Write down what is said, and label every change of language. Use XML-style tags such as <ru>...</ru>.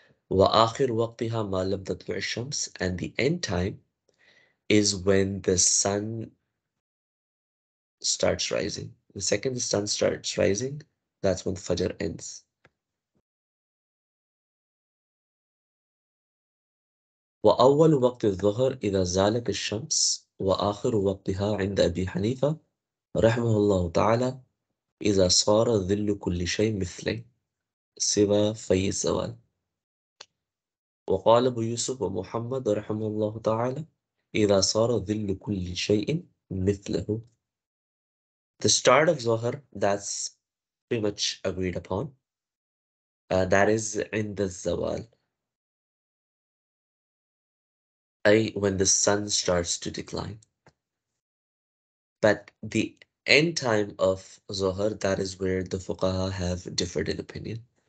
<ar>وآخر وقتها ما لم تطلع الشمس,</ar> <en>and the end time is when the sun starts rising. The second the sun starts rising, that's when Fajr ends.</en> <ar>وأول وقت الظهر إذا زالت الشمس وآخر وقتها عند أبي حنيفة رحمه الله تعالى إذا صار ظل كل شيء مثلي سوى في الزوال. وقال أبو يوسف ومحمد رحمه الله تعالى إذا صار ظل كل شيء مثله.</ar> <en>The start of Zohar, that's pretty much agreed upon. That is</en> <ar>عند الزوال.</ar> <en>When the sun starts to decline. But the end time of Zohar, that is where the Fuqaha have differed in opinion.</en>